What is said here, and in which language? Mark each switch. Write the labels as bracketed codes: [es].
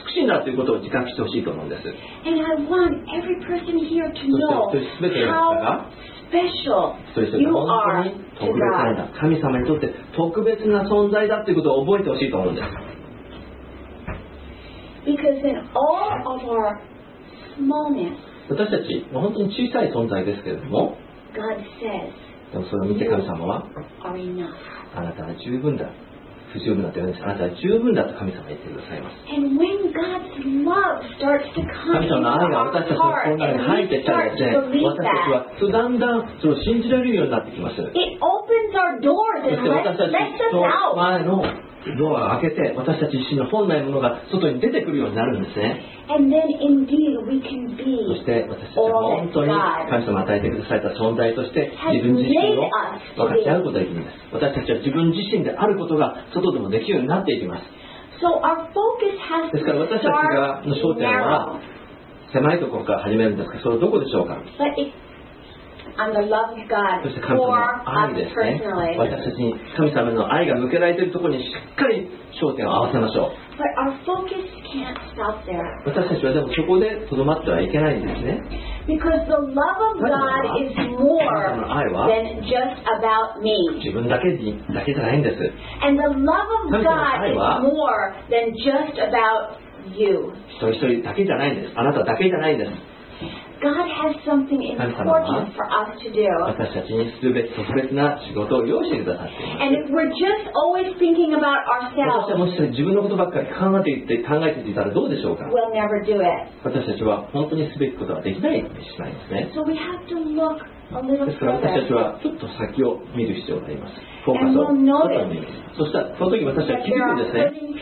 [ja] ね、自分が本当に美しいものだ神様の美しいものだ神様の目の中では美しいんだということを自覚してほしいと思うんです。 [en] And I want every person here to know how special you are to God. [ja] 神様にとって特別な存在だということを覚えてほしいと思うんです。 [en] Because in all of our smallness, [ja] 私たち本当に小さい存在ですけれども、 [en] God says, [ja] でもそれを見て神様は、 [en] you are enough. [ja] あなたは十分だ。不十分だって言うんです。あなたは十分だと神様は言ってくださいます。 [en] And when God's love starts to come, [ja] 神様の愛が私たちの心に入ってきたらです私たちはだんだんその信じられるようになってきます。 [en] It opens our doors and lets us out. [ja] その前のドアを開けて私たち自身の本来のものが外に出てくるようになるんですね。 [en] And then indeed we can be all [ja] そして私たちは本当に神様が与えてくださった存在として自分自身を分かち合うことができます。私たちは自分自身であることが外でもできるようになっていきます。 [en] So our focus has to start [ja] ですから私たちの焦点は狭いところから始めるんですが、それはどこでしょうか。 [en] And the love of God for us personally. [ja] 私たちに神様の愛が向けられているところにしっかり焦点を合わせましょう。 [en] But our focus can't stop there. [ja] 私たちはでもそこでとどまってはいけないんですね。 [en] Because the love of God is more than just about me. [ja] 自分だけじゃないんです。 [en] And the love of God is more than just about you. [ja] 一人一人だけじゃないんです。あなただけじゃないんです。 [en] God has something important for us to do. [ja] 私たちに特別な仕事を用意してくださっています。 [en] And if we're just always thinking about ourselves, [ja] 私たちもし自分のことばっかり考えていたらどうでしょうか。 [en] We'll never do it. [ja] 私たちは本当にすべきことはできないかもしれないですね。 [en] So we have to look a little further. [ja] ですから私たちはちょっと先を見る必要があります。フォーカスを外に見る。そしたらその時私たちは気づくんですね。